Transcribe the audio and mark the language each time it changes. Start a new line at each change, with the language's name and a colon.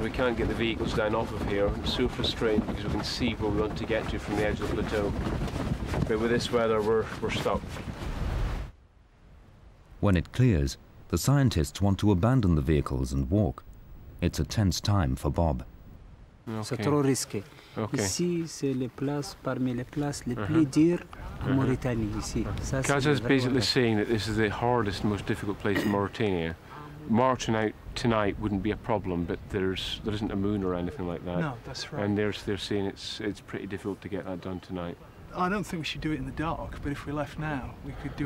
English: We can't get the vehicles down off of here. I'm so frustrated because we can see where we want to get to from the edge of the plateau. But with this weather, we're stuck. When it clears, the scientists want to abandon the vehicles and walk. It's a tense time for Bob.
French: Okay. C'est trop risqué.
English: Okay.
French: Ici, c'est les places parmi les places les plus dures.
English: Kaza's basically saying that this is the hardest, most difficult place in Mauritania. Marching out tonight wouldn't be a problem, but there isn't a moon or anything like that. No, that's right. And they're saying it's pretty difficult to get that done tonight. I don't think we should do it in the dark, but if we left now, we could do